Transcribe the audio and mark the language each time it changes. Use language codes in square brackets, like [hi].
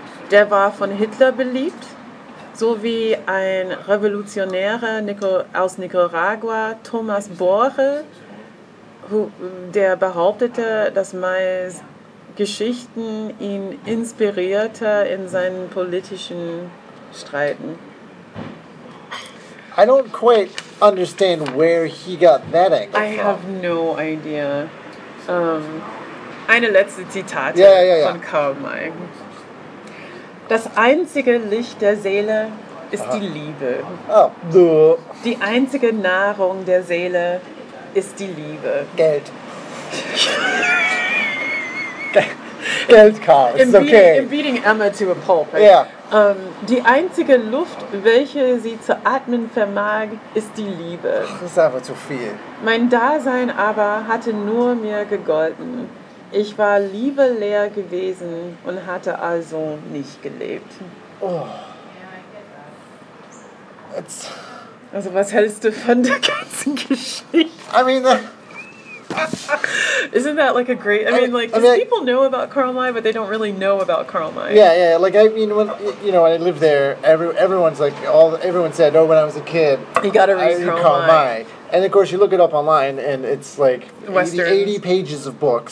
[de] Der war von Hitler beliebt, sowie ein Revolutionärer aus Nicaragua, Thomas Bore, der behauptete, dass Mays Geschichten ihn inspirierte in seinen politischen Streiten. [en] I don't quite understand where he got that angle from. I have no idea. [de] Eine letzte Zitate von Karl May. Das einzige Licht der Seele ist die Liebe. Die einzige Nahrung der Seele ist die Liebe. Geld. Geld, [en] Karl. It's okay. I'm beating Emma to a pulp. Right? Yeah. [de] Die einzige Luft, welche sie zu atmen vermag, ist die Liebe. Ach, das ist einfach zu viel. Mein Dasein aber hatte nur mir gegolten. Ich war liebeleer gewesen und hatte also nicht gelebt. Oh. Also was hältst du von der ganzen Geschichte? [en] I mean, isn't that like a great? I mean, people know about Karl May, but they don't really know about Karl May. Yeah. Like I mean, when you know, when I lived there, everyone said, oh, when I was a kid, you gotta read Karl May. And of course, you look it up online, and it's like 80 pages of books.